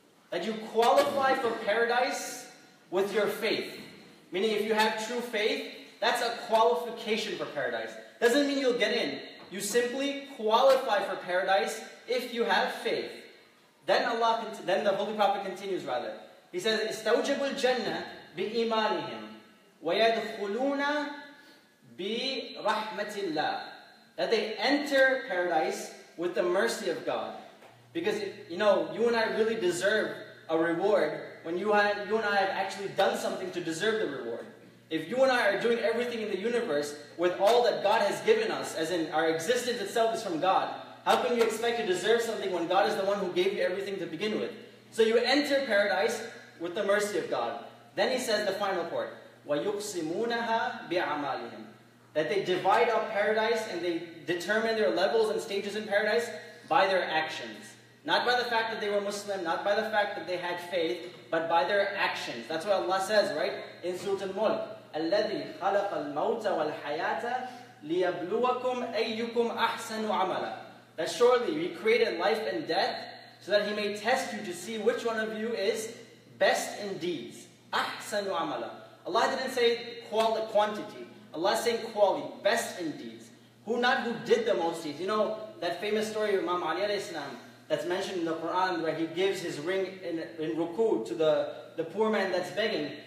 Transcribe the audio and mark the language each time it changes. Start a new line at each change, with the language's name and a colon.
English: That you qualify for paradise with your faith. Meaning if you have true faith, that's a qualification for paradise. Doesn't mean you'll get in. You simply qualify for paradise if you have faith. Then the Holy Prophet continues rather. He says,
Arabic: استوجبوا الجنة بإيمانهم ويدخلون برحمة الله.
English: That they enter paradise with the mercy of God. Because, you know, you and I really deserve a reward when you and I have actually done something to deserve the reward. If you and I are doing everything in the universe with all that God has given us, as in our existence itself is from God, how can you expect to deserve something when God is the one who gave you everything to begin with? So you enter paradise with the mercy of God. Then he says the final part,
Arabic: وَيُقْسِمُونَهَا بِعَمَالِهِمْ.
English: That they divide up paradise and they determine their levels and stages in paradise by their actions. Not by the fact that they were Muslim, not by the fact that they had faith, but by their actions. That's what Allah says, right? In Surah Al-Mulk,
Arabic: الَّذِي خَلَقَ الْمَوْتَ وَالْحَيَاةَ لِيَبْلُوَكُمْ أَيُّكُمْ أَحْسَنُ عَمَلًا.
English: That surely he created life and death so that he may test you to see which one of you is best in deeds.
Arabic: أَحْسَنُ عَمَلًا.
English: Allah didn't say quantity. Allah is saying quality, best in deeds. Who did the most deeds? You know that famous story of Imam Ali alayhi salam that's mentioned in the Quran where he gives his ring in ruku to the poor man that's begging.